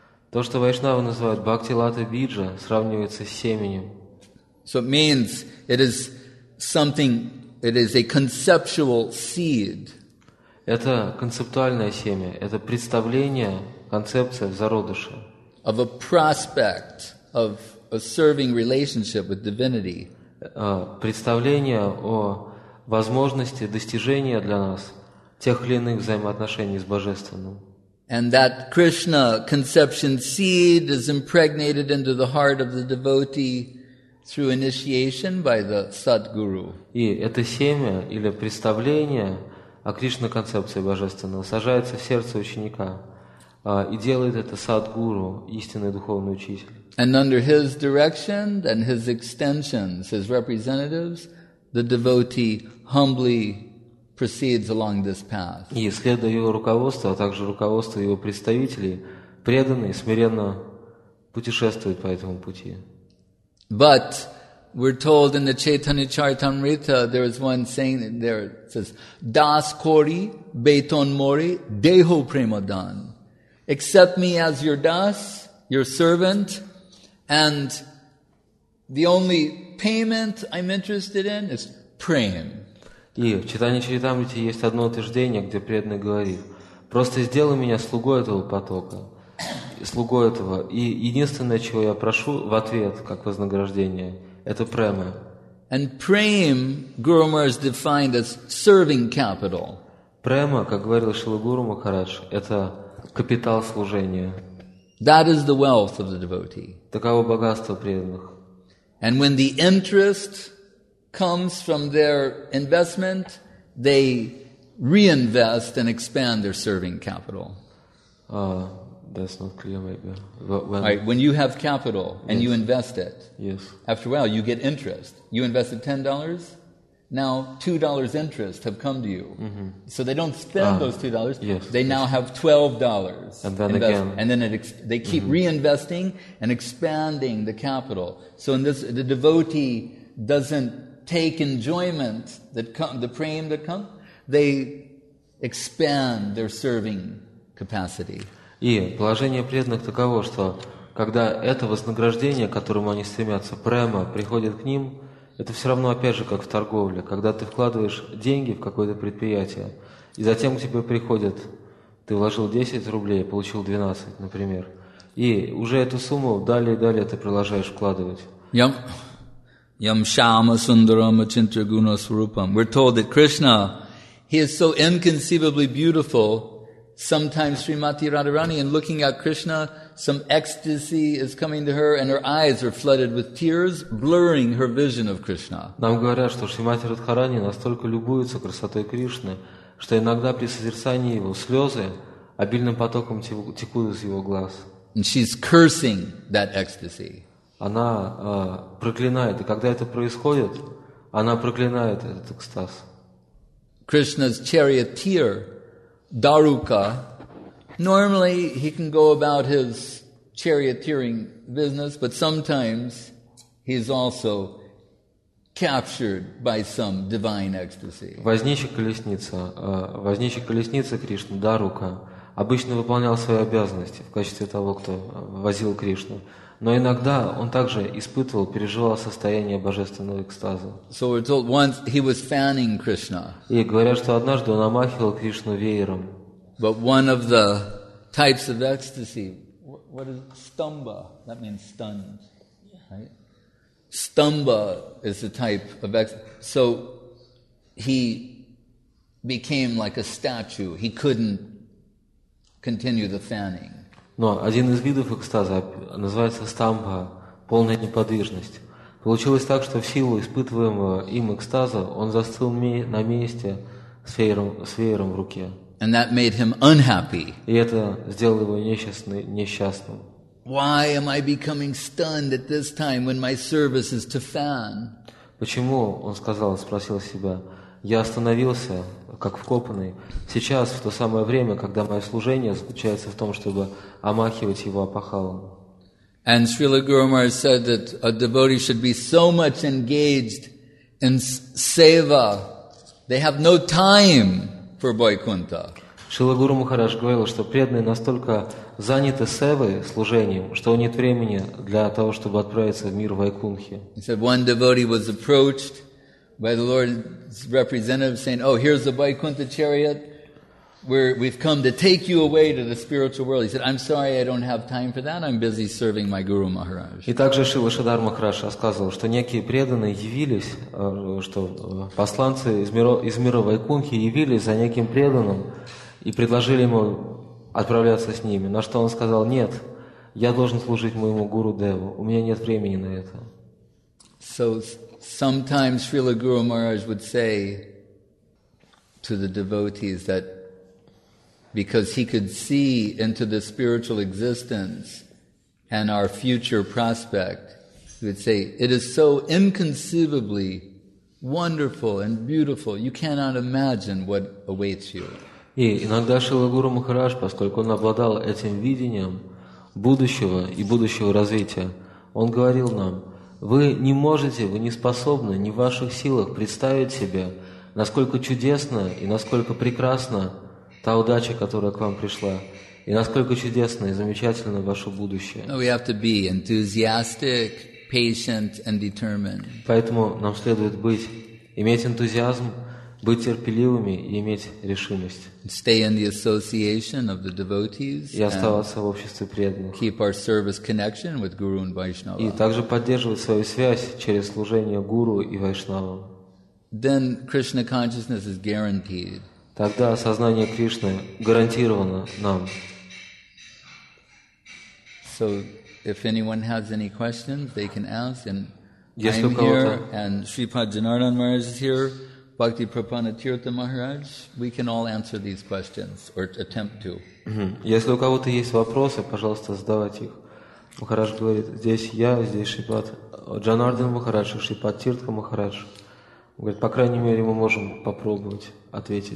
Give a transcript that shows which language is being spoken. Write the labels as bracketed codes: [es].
[ru] То, что вайшнавы называют бхакти лата биджа, сравнивается с семенем. [en] So it means it is something, it is a conceptual seed. [ru] Это концептуальное семя, это представление, концепция зародыша. [en] Of a prospect of a serving relationship with divinity. [ru] Представление о возможности достижения для нас тех или иных взаимоотношений с Божественным. [en] And that Krishna conception seed is impregnated into the heart of the devotee through initiation by the Sadguru. [ru] И это семя или представление о Кришна концепции божественного сажается в сердце ученика, и делает это Садгуру, истинный духовный учитель. [en] And under his direction and his extensions, his representatives, the devotee humbly proceeds along this path. [ru] И следуя его руководству, а также руководству его представителей, преданный смиренно путешествовать по этому пути. [en] But we're told in the Chaitanya Charitamrita, there is one saying there, it says, [bn] Das Kori Beton Mori Deho Premadan. [en] Accept me as your das, your servant, and the only payment I'm interested in is praying. [ru] И в Читании Чаритамрите есть одно утверждение, где преданный говорит, просто сделай меня слугой этого потока, слугой этого, и единственное, чего я прошу в ответ, как вознаграждение, это према. [en] And praying, Guru Maharaj defined as serving capital. [ru] Према, как говорил Шрила Гуру Махарадж, это капитал служения. [en] That is the wealth of the devotee. [ru] Таково богатство преданных. [en] And when the interest comes from their investment, they reinvest and expand their serving capital. That's not clear, maybe. When, right, when you have capital and yes. you invest it, yes. after a while you get interest. You invested $10, now $2 interest have come to you. Mm-hmm. So they don't spend those $2, yes, they yes. now have $12. And then invest, again. And then it they keep mm-hmm. reinvesting and expanding the capital. So in this, the devotee doesn't take enjoyment that come, the prema that come, they expand their serving capacity. [ru] И положение преданных таково, что когда это вознаграждение, к которому они стремятся, према, приходит к ним, это все равно опять же как в торговле. Когда ты вкладываешь деньги в какое-то предприятие, и затем к тебе приходят, ты вложил 10 рублей, получил 12, например, и уже эту сумму далее и далее ты продолжаешь вкладывать. [sa] Yam Shama Sundaram Achintya Guna Swarupam. [en] We're told that Krishna, he is so inconceivably beautiful. Sometimes Srimati Radharani, in looking at Krishna, some ecstasy is coming to her and her eyes are flooded with tears, blurring her vision of Krishna. [ru] Нам говорят, что Шримати Радхарани настолько любуется красотой Кришны, что иногда при созерцании его слезы обильным потоком текут из его глаз. [en] And she's cursing that ecstasy. [ru] Она проклинает, и когда это происходит, она проклинает этот экстаз. [en] Krishna's charioteer, Daruka, normally he can go about his charioteering business, but sometimes he's also captured by some divine ecstasy. [ru] Возничий колесницы Кришны, Дарука, обычно выполнял свои обязанности в качестве того, кто возил Кришну. Но иногда он также испытывал, переживал состояние божественного экстаза. [en] So we're told once he was fanning Krishna. [ru] И говорят, что однажды он омахивал Кришну веером. [en] But one of the types of ecstasy, what is stumbha? That means stunned, right? Stumbha is a type of ecstasy. So he became like a statue. He couldn't continue the fanning. [ru] Но один из видов экстаза называется стамба, полная неподвижность. Получилось так, что в силу испытываемого им экстаза он застыл на месте с веером в руке. [en] And that made him unhappy. [ru] И это сделало его несчастным. [en] Why am I becoming stunned at this time when my service is to fan? [ru] Почему, он спросил себя, я остановился, как вкопанный, сейчас, в то самое время, когда мое служение заключается в том, чтобы омахивать его опахалом. [en] And Srila Guru Maharaj said that a devotee should be so much engaged in seva, they have no time for Vaikuntha. [ru] Шрила Гуру Махарадж говорил, что преданные настолько заняты севой, служением, что у них нет времени для того, чтобы отправиться в мир Вайкунхи. [en] He said one devotee was approached by the Lord's representative saying, oh, here's the Vaikuntha chariot. We've come to take you away to the spiritual world. He said, I'm sorry, I don't have time for that. I'm busy serving my Guru Maharaj. [ru] И также Шрила Шридхар Махарадж рассказывал, что некие преданные явились, что посланцы из мира Вайкунхи явились за неким преданным и предложили ему отправляться с ними. На что он сказал, нет, я должен служить моему Гуру Деву. У меня нет времени на это. [en] So, sometimes Srila Guru Maharaj would say to the devotees that because he could see into the spiritual existence and our future prospect, he would say, it is so inconceivably wonderful and beautiful, you cannot imagine what awaits you. [ru] И иногда Шрила Гуру Махарадж, поскольку он обладал этим видением, будущего и будущего развития. Он говорил нам: «Вы не можете, вы не способны, не в ваших силах представить себе, насколько чудесно и насколько прекрасна та удача, которая к вам пришла, и насколько чудесно и замечательно ваше будущее». [en] We have to be enthusiastic, patient, and determined. [ru] Поэтому нам следует иметь энтузиазм, быть терпеливыми и иметь решимость. [en] Stay in the association of the devotees. [ru] И оставаться в обществе преданных. [en] Keep our service connection with Guru and Vaishnava. [ru] И также поддерживать свою связь через служение Гуру и Вайшнавам. [en] Then Krishna consciousness is guaranteed. [ru] Тогда сознание Кришны гарантировано нам. [en] So if anyone has any questions, they can ask. And I'm here, and Shripad Janardhan Maharaj is here, Bhakti Prapana Tirtha Maharaj. We can all answer these questions or attempt to. [ru] Если у кого-то есть вопросы, пожалуйста, задавайте их. Махарадж говорит: здесь я, здесь Шрипад Джанардан Махарадж, Шрипад Тиртха Махарадж. Говорит: по крайней мере, мы можем попробовать ответить.